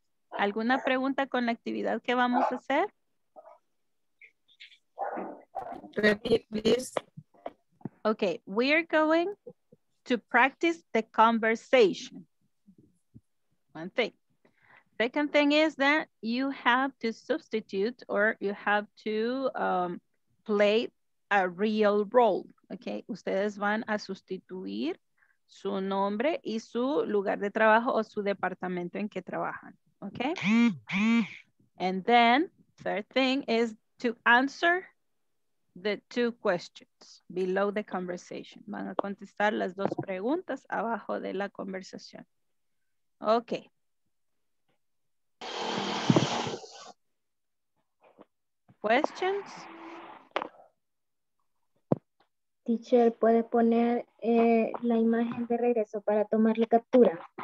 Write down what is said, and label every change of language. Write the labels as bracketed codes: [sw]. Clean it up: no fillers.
[es] ¿Alguna pregunta con la actividad que vamos a hacer? [en] Repeat, please. Okay, we are going to practice the conversation. One thing. Second thing is that you have to substitute or you have to play a real role, okay? [es] Ustedes van a sustituir su nombre y su lugar de trabajo o su departamento en que trabajan, okay? [en] And then, third thing is to answer the two questions below the conversation. [es] Van a contestar las dos preguntas abajo de la conversación. [en] Okay. Questions? [es] Teacher, ¿puede poner la imagen de regreso para tomar la captura?